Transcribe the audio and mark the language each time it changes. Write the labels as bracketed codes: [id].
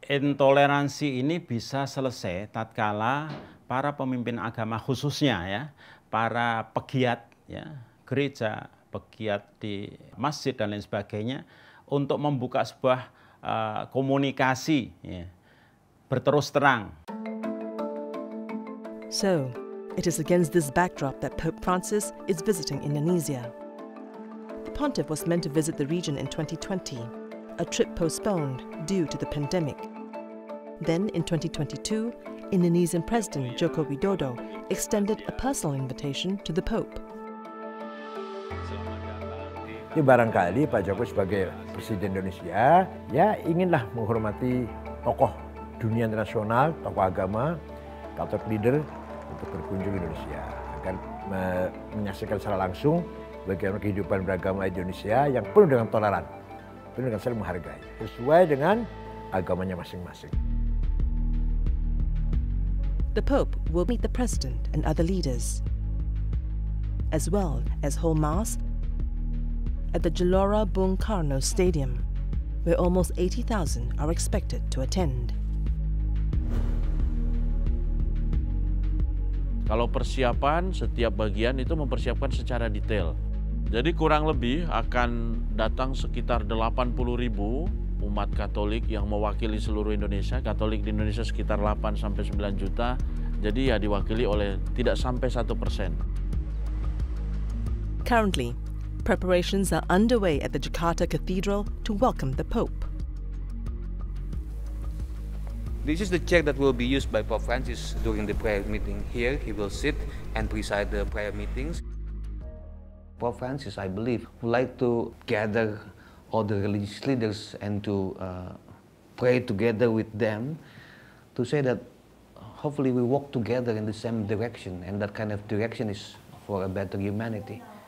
[id] Intoleransi ini bisa selesai tatkala para pemimpin agama khususnya ya, para pegiat ya, gereja, pegiat di masjid dan lain sebagainya, untuk membuka sebuah komunikasi ya, berterus terang. [en] So, it is against this backdrop that Pope Francis is visiting Indonesia. Pontiff was meant to visit the region in 2020, a trip postponed due to the pandemic. Then in 2022, Indonesian President Joko Widodo extended a personal invitation to the Pope. [id] Ya, barangkali Pak Jokowi sebagai Presiden Indonesia ya inginlah menghormati tokoh dunia internasional, tokoh agama, [en] Catholic leader [id] untuk berkunjung Indonesia agar menyaksikan secara langsung bagaimana kehidupan beragama Indonesia yang penuh dengan toleran, penuh dengan saling menghargai sesuai dengan agamanya masing-masing. [en] The Pope will meet the President and other leaders, as well as hold mass at the Gelora Bung Karno Stadium, where almost 80,000 are expected to attend. [id] Kalau persiapan, setiap bagian itu mempersiapkan secara detail. Jadi kurang lebih akan datang sekitar 80.000 umat Katolik yang mewakili seluruh Indonesia. Katolik di Indonesia sekitar 8-9 juta. Jadi ya diwakili oleh tidak sampai 1%. [en] Currently, preparations are underway at the Jakarta Cathedral to welcome the Pope. This is the chair that will be used by Pope Francis during the prayer meeting here. He will sit and preside the prayer meetings. Pope Francis, I believe, would like to gather all the religious leaders and to pray together with them to say that hopefully we walk together in the same direction, and that kind of direction is for a better humanity.